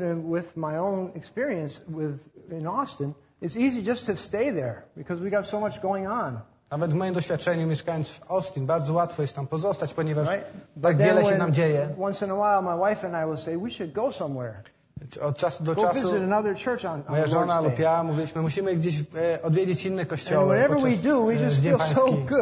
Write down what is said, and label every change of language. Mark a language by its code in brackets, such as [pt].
[en] Even with my own experience in Austin, it's easy just to stay there because we got so much going on. [pl] Nawet w moim doświadczeniu mieszkając w Austin, bardzo łatwo jest tam pozostać, ponieważ tak wiele się nam dzieje. [en] Once in a while, my wife and I will say, we should go somewhere. [pl] Od czasu do czasu moja żona lub ja mówiliśmy, musimy gdzieś odwiedzić inne kościoły podczas Dzień Pański.